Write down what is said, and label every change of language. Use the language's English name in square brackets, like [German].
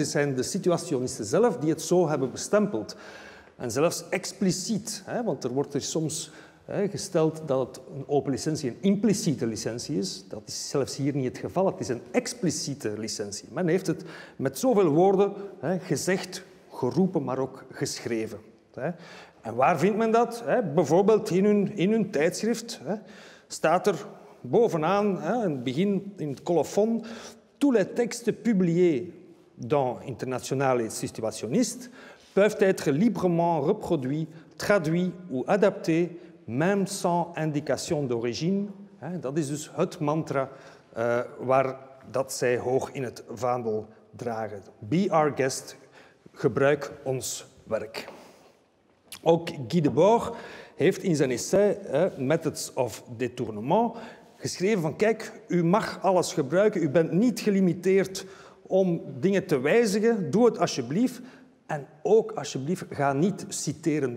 [Dutch] Het zijn de situationisten zelf die het zo hebben bestempeld. En zelfs expliciet, want er wordt er soms gesteld dat het een open licentie een impliciete licentie is. Dat is zelfs hier niet het geval. Het is een expliciete licentie. Men heeft het met zoveel woorden gezegd, geroepen, maar ook geschreven. En waar vindt men dat? Bijvoorbeeld in hun tijdschrift staat er bovenaan, in het begin, in het colofon, [French] tous les textes publiés dans Internationale Situationniste peuvent être librement reproduits, traduits ou adaptés, même sans indication d'origine. [Dutch] Dat is dus het mantra waar dat zij hoog in het vaandel dragen. [English] Be our guest, [Dutch] gebruik ons werk. Ook Guy Debord heeft in zijn essay Methods of Détournement geschreven van kijk, u mag alles gebruiken, u bent niet gelimiteerd om dingen te wijzigen, doe het alsjeblieft en ook alsjeblieft ga niet citeren.